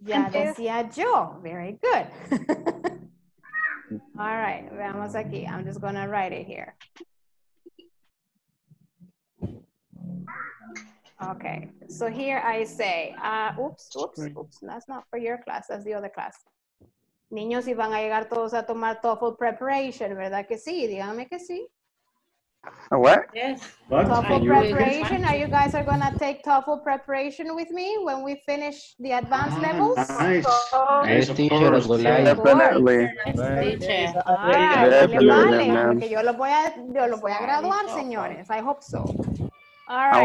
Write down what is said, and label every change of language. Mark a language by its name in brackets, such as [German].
[Spanish] Ya decía yo. [English] Very good. All right, [Spanish] veamos aquí. [English] I'm just going to write it here. Okay, so here I say, oops, that's not for your class, that's the other class. [Spanish] Niños, y van a llegar todos a tomar TOEFL preparation, ¿verdad que sí? Dígame que sí. [English] A what? Yes. TOEFL preparation, are you guys are gonna take TOEFL preparation with me when we finish the advanced levels? Nice. Yes, teacher, definitely. [Spanish] Yo lo voy a, graduar, señores, [English] I hope so. All right.